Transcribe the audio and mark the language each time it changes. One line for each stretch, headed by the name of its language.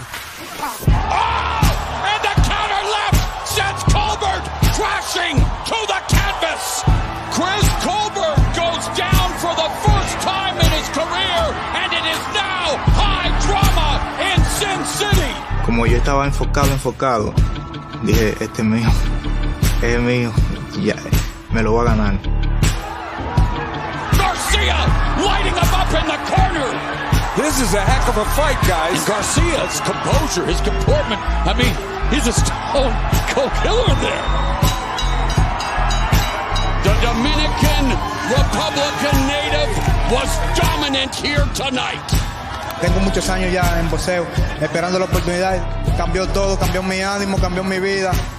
English: Oh! And the counter left sends Colbert crashing to the canvas! Chris Colbert goes down for the first time in his career, and it is now high drama in Sin City!
Spanish: Como yo estaba enfocado, dije, este es mío. Es mío. Ya, me lo voy a ganar.
English: Lighting him up in the corner. This is a heck of a fight, guys. And Garcia's composure, his comportment. I mean, he's a stone cold killer there. The Dominican Republican native was dominant here tonight.
Spanish: Tengo muchos años ya en boxeo, esperando la oportunidad. Cambió todo, cambió mi ánimo, cambió mi vida.